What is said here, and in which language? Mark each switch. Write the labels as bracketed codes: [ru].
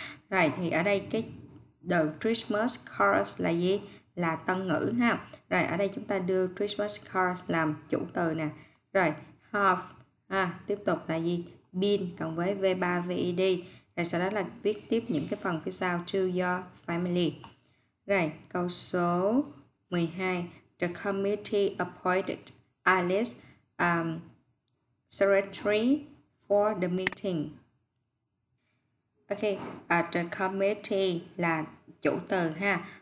[vi] Rồi thì ở đây cái [en] the Christmas cards [vi] là gì? Là tân ngữ ha. Rồi ở đây chúng ta đưa Christmas cards làm chủ từ nè. Rồi have tiếp tục là gì? Been cộng với V3, VED. Rồi sau đó là viết tiếp những cái phần phía sau. [en] To your family. [vi] Rồi, câu số 12. [en] The committee appointed Alice secretary for the meeting. [vi] Ok, [en] the committee [vi] là chủ từ ha.